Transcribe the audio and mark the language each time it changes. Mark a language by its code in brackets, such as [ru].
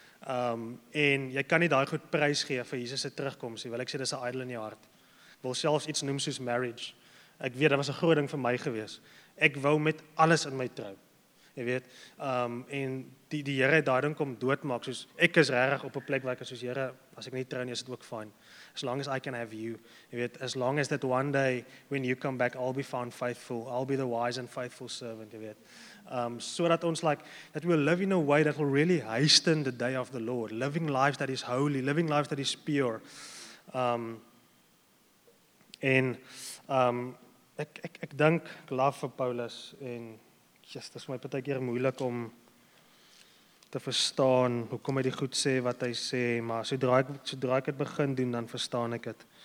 [af] En jy kan nie daai goed prys gee vir Jesus se terugkoms nie, wil ek sê dis 'n idol in jou hart. Ek wil selfs iets noem soos marriage. Ek weet, dit was 'n groot ding vir my gewees. Ek wou met alles in my trou. Jy weet, en die Here het daai ding kom doodmaak, soos ek is regtig op 'n plek waar ek is, soos Here, as ek nie trou nie, is dit ook fine. [en] As long as I can have you, [af] jy weet, [en] as long as that one day, when you come back, I'll be found faithful, I'll be the wise and faithful servant, jy weet. [af] So dat ons [en] like, that we will live in a way that will really hasten the day of the Lord, living lives that is holy, living lives that is pure. [af] Ek dink, ek love vir Paulus, en dit is my baie keer moeilik om te verstaan, hoekom hy die goed sê wat hy sê, maar sodra ek het begin doen, dan verstaan ek het.